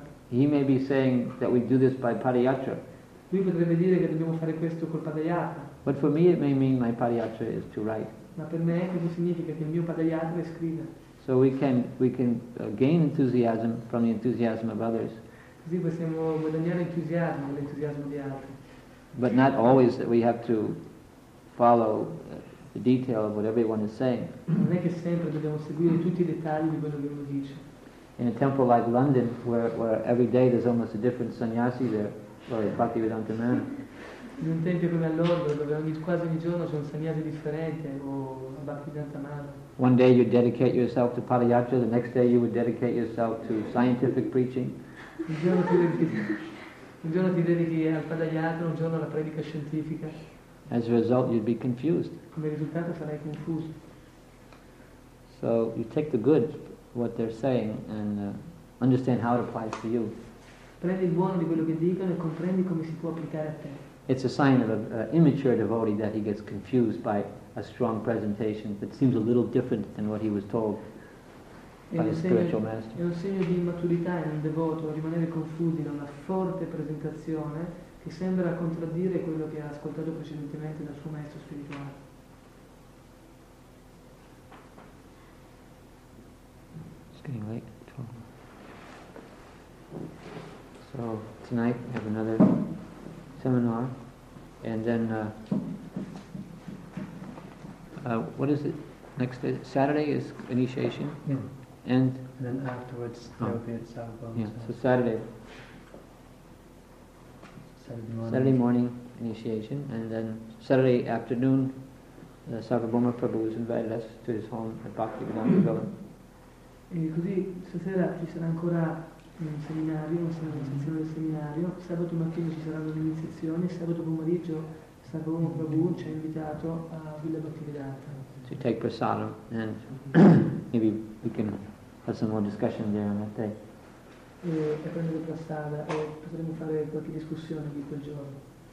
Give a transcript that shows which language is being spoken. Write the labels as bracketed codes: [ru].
[en] He may be saying that we do this by Padayatra. [it] Lui potrebbe dire che dobbiamo fare questo col Padayatra. [en] But for me it may mean my Padayatra is to write. [it] Ma per me questo significa che il mio Padayatra è scrivere. [en] So we can gain enthusiasm from the enthusiasm of others. [it] Così possiamo guadagnare entusiasmo dall'entusiasmo di altri. [en] But not always that we have to follow the detail of what everyone is saying. [it] Non è che sempre dobbiamo seguire tutti i dettagli di quello che uno dice. [en] In a temple like London, where every day there's almost a different sannyasi there, or a Bhaktivedanta man. [it] In un tempio come a Londra, dove quasi ogni giorno c'è un sannyasi differente o a Bhaktivedanta man. [en] One day you dedicate yourself to Padayatra, the next day you would dedicate yourself to scientific preaching. [it] Un giorno ti dedichi al Padayatra, un giorno alla predica scientifica. [en] As a result you'd be confused. [it] Come risultato sarai confuso. [en] So you take the good, what they're saying, and understand how it applies to you. [it] Prendi il buono di quello che dicono e comprendi come si può applicare a te. [en] It's a sign of an immature devotee that he gets confused by a strong presentation that seems a little different than what he was told by his spiritual master. [it] È un segno di immaturità in un devoto rimanere confusi da una forte presentazione che sembra contraddire quello che ha ascoltato precedentemente dal suo maestro spirituale. [en] It's getting late. So tonight we have another seminar, and then what is it? Next day, Saturday is initiation. Yeah. And then afterwards there will be a sabbath. Yeah. So Saturday. Saturday morning initiation, and then Saturday afternoon, the Sarvabhauma Prabhu has invited us to his home at Bhaktivedanta Villa. [it] E così stasera ci sarà ancora un seminario, un'iniziazione del seminario. Sabato mattina ci saranno le iniziazioni. Sabato pomeriggio Sarvabhauma Prabhu ci ha invitato a Villa Bhaktivedanta. [en] To take prasadam, and maybe we can have some more discussion there on that day. [it] E prendere prasada e potremo fare qualche discussione di quel giorno.